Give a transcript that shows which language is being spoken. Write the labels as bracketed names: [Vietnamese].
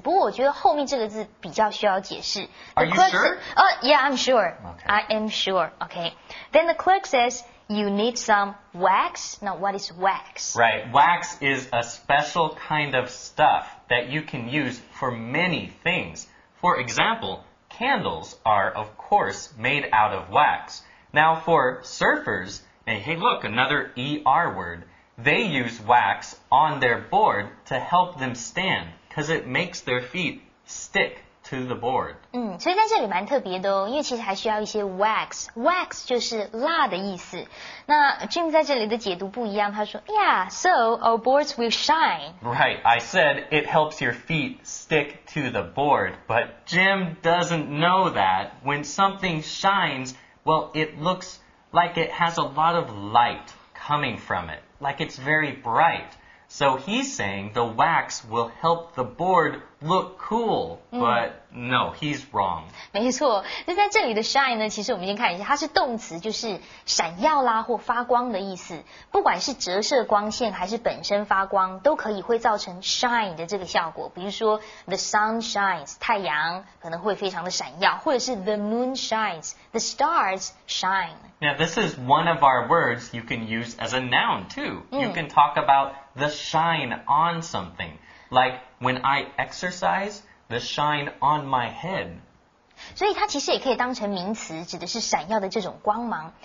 [Chinese] 不过我觉得后面这个字比较需要解释。 [English] Are you sure? Yeah, I'm sure. Okay. I am sure. Okay. Then the clerk says, you need some wax. Now, what is wax? Right. Wax is a special kind of stuff that you can use for many things. For example, candles are, of course, made out of wax. Now, for surfers,Hey, look, another ER word. They use wax on their board to help them stand because it makes their feet stick to the board. [Chinese] 所以在这里蛮特别的哦，因为其实还需要一些 wax. Wax 就是蜡的意思。那 Jim 在这里的解读不一样，他说 Yeah, so our boards will shine. [English] Right, I said it helps your feet stick to the board, but Jim doesn't know that. When something shines, well, it looks... like it has a lot of light coming from it, like it's very bright. So he's saying the wax will help the board look cool, but no, he's wrong. [Chinese] 没错，那在这里的 shine 呢，其实我们先看一下，它是动词，就是闪耀啦或发光的意思。不管是折射光线还是本身发光，都可以会造成 shine 的这个效果。比如说 the sun shines，太阳可能会非常的闪耀，或者是 the moon shines， the stars shine。 [English] Now this is one of our words you can use as a noun too. You can talk about the shine on something. Like when I exercise, the shine on my head. [Chinese] 所以它其实也可以当成名词，指的是闪耀的这种光芒。